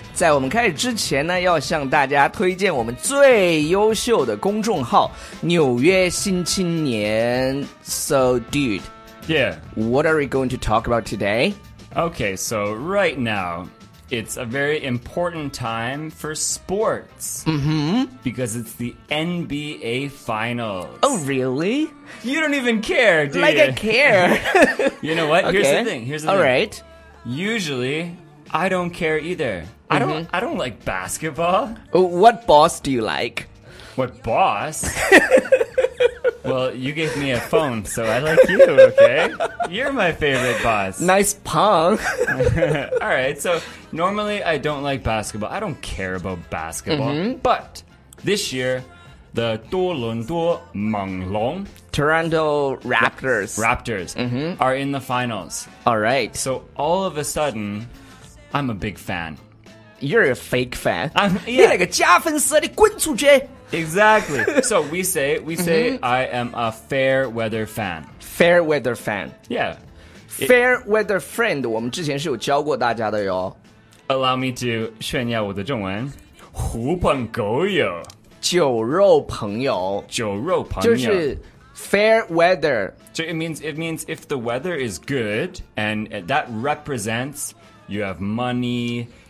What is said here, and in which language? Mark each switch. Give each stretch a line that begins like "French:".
Chinese: 在我们开始之前呢，要向大家推荐我们最优秀的公众号《纽约新青年》。
English: So, dude, yeah, what are we going to talk about today? Okay, so right now, it's a very important time for sports. Mm-hmm. Because it's the NBA Finals. Oh, really? You don't even care, do you? Like, I care. You know what? Okay. Here's the thing. Here's the All thing. All right. Usually, I don't care either. Mm-hmm. I don't like basketball. What boss do you like? What boss? Well, you gave me a phone, so I like you, okay? You're my favorite boss. Nice pong. All right, so normally I don't like basketball. I don't care about basketball. Mm-hmm. But this year, the Toronto Manglong. Toronto Raptors. Raptors, mm-hmm, are in the finals. All right. So all of a sudden, I'm a big fan. You're a fake fan. Yeah.
Chinese: 你那个假粉丝，你滚出去
English: Exactly. So we say, I am a fair weather fan. Fair weather fan. Yeah. Fair weather friend,
Chinese: 我们之前是有教过大家的哟。
English: Allow me to
Chinese: 炫耀我的中文。狐朋狗友。酒肉朋友。就是 fair weather.
English: So it means if the weather is good, and that represents you have money...